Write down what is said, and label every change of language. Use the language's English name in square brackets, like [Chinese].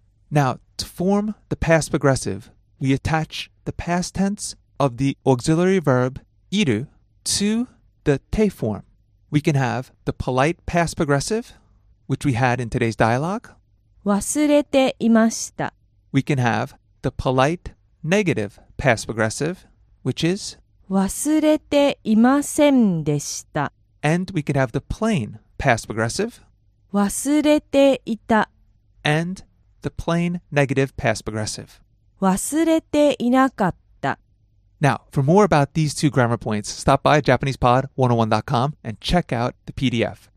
[English] Now, to form the past progressive, we attach the past tense of the auxiliary verb iru to the te form. We can have the polite past progressive, which we had in today's dialogue. [Japanese] 忘れていました. [English] We can have the polite negative past progressive, which is [Japanese] 忘れていませんでした. [English] And we could have the plain past progressive. [Japanese] 忘れていた. [English] And the plain negative past progressive. [Japanese] 忘れていなかった. [English] Now, for more about these two grammar points, stop by JapanesePod101.com and check out the PDF.